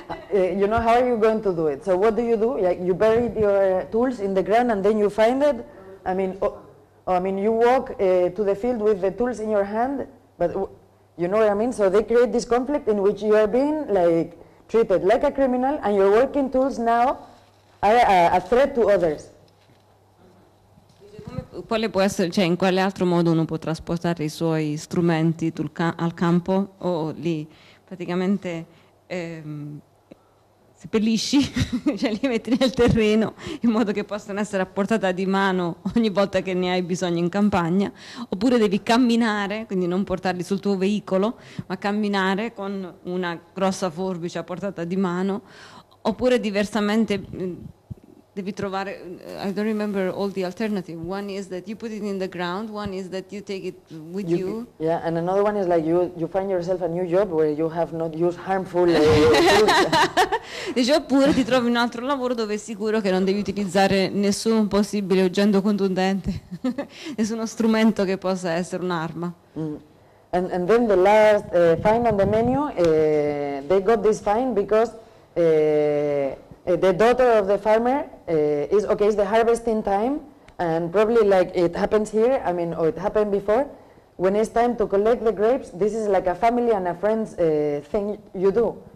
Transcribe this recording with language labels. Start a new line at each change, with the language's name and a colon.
English: You know, how are you going to do it? So what do you do? Like you bury your tools in the ground and then you find it? I mean you walk to the field with the tools in your hand, but you know what I mean? So they create this conflict in which you are being like treated like a criminal and you're working tools now. A threat to others.
Italian: Quale può essere, cioè in quale altro modo uno può trasportare i suoi strumenti al campo o li praticamente seppellisci, cioè li metti nel terreno in modo che possano essere a portata di mano ogni volta che ne hai bisogno in campagna, oppure devi camminare, quindi non portarli sul tuo veicolo, ma camminare con una grossa forbice a portata di mano. Oppure diversamente devi trovare,
English: I don't remember all the alternative. One is that you put it in the ground, one is that you take it with you. Yeah, and another one is like you find yourself a new job where you have not used harmful
Italian: Dice, oppure ti trovi un altro lavoro dove è sicuro che non devi utilizzare nessun possibile oggetto contundente, nessuno strumento che possa essere un'arma.
English: And then the last fine on the menu, they got this fine because the daughter of the farmer is okay. It's the harvesting time, and probably like it happens here. I mean, or it happened before. When it's time to collect the grapes, this is like a family and a friends thing you do.